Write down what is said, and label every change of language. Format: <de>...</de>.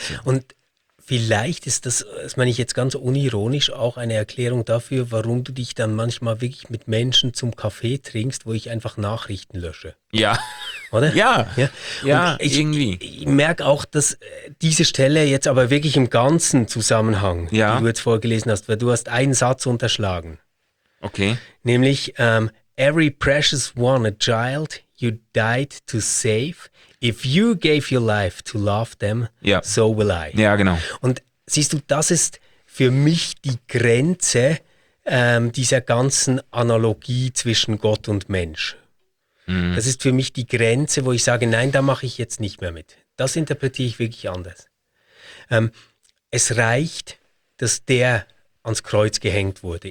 <de>Und vielleicht ist das, das meine ich jetzt ganz unironisch, auch eine Erklärung dafür, warum du dich dann manchmal wirklich mit Menschen zum Kaffee trinkst, wo ich einfach Nachrichten lösche. Ja. Oder? Ja. Ja, ja, irgendwie. Ich merke auch, dass diese Stelle jetzt aber wirklich im ganzen Zusammenhang, die du jetzt vorgelesen hast, weil du hast einen Satz unterschlagen. Okay.</de> <en>Nämlich, every precious one a child you died to save. If you gave your life to love them, so will I.</en> <de>Ja, genau. Und siehst du, das ist für mich die Grenze dieser ganzen Analogie zwischen Gott und Mensch. Mhm. Das ist für mich die Grenze, wo ich sage, nein, da mache ich jetzt nicht mehr mit. Das interpretiere ich wirklich anders. Es reicht, dass der ans Kreuz gehängt wurde.</de>